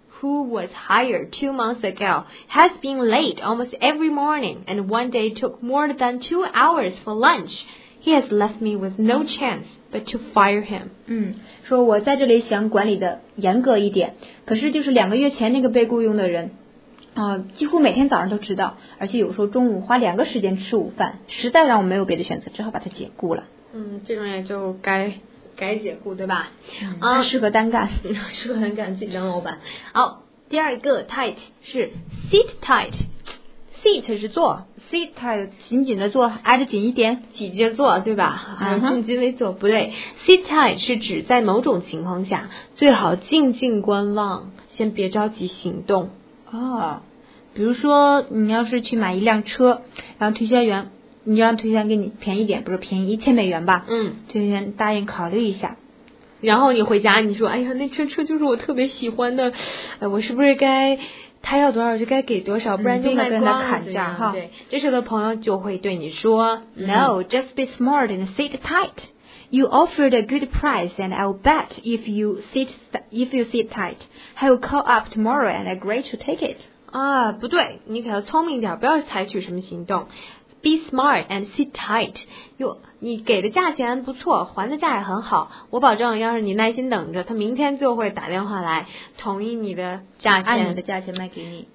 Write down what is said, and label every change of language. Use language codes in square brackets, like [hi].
[en] Who was hired 2 months ago has been late almost every morning, and one day took more than 2 hours for lunch. He has left me with no chance but to fire him. [zh] 说我在这里想管理的严格一点，可是就是2个月前那个被雇佣的人，几乎每天早上都迟到，而且有时候中午花两个时间吃午饭，实在让我没有别的选择，只好把他解雇了。嗯，这种也就该解雇对吧？他适合单干，适合单干自己当老板。好，第二个 tight 是 sit tight。Sit 是坐，sit 紧紧的坐，挨着紧一点，挤着坐，对吧？正襟危坐不对。Sit tight 是指在某种情况下，最好静静观望，先别着急行动。哦，比如说你要是去买一辆车，然后推销员，你让推销员给你便宜点，不是便宜1000美元吧？嗯，推销员答应考虑一下。然后你回家，你说，哎呀，那车就是我特别喜欢的，我是不是该？他要多少就该给多少，不然就卖光了，跟他砍价哈。对，这时候的朋友就会对你说、 [en] No, just be smart and sit tight. You offered a good price and I'll bet if you sit tight, he'll call up tomorrow and agree to take it. [zh] 啊，不对，你可要聪明一点，不要采取什么行动。 [en] Be smart and sit tight. [zh] 你给的价钱不错，还的价也很好。我保证，要是你耐心等着，他明天就会打电话来，同意你的价钱，按你的价钱卖给你。